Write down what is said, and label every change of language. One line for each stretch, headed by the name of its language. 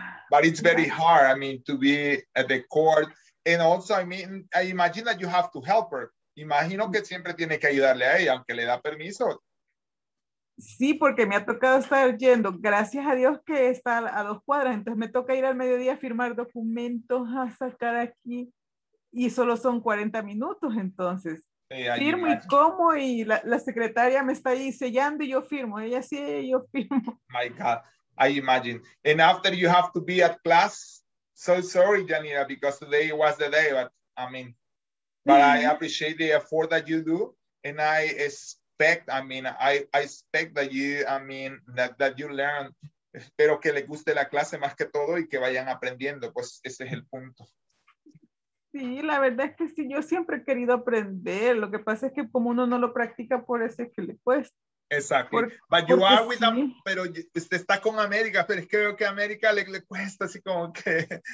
English: But it's very hard, I mean, to be at the court. And also, I mean, I imagine that you have to help her.
Spanish: Imagino que siempre tiene que ayudarle a ella, aunque le da permiso. Sí, porque me ha tocado estar yendo. Gracias a Dios que está a 2 cuadras. Entonces me toca ir al mediodía a firmar documentos, a sacar aquí. Y solo son 40 minutos, entonces. Sí, firmo y como, y la secretaria me está ahí sellando y yo firmo. Ella sí, yo firmo.
English: My God, I imagine. And after you have to be at class, so sorry, Janina, because today was the day, but I mean... But I appreciate the effort that you do, and I expect that you learn.
Spanish: Espero que le guste la clase más que todo y que vayan aprendiendo, pues ese es el punto. Sí, la verdad es que sí, yo siempre he querido aprender. Lo que pasa es que como uno no lo practica, por eso es que le cuesta. Exacto. Pero usted está con América, pero es que veo que a América le cuesta así como que...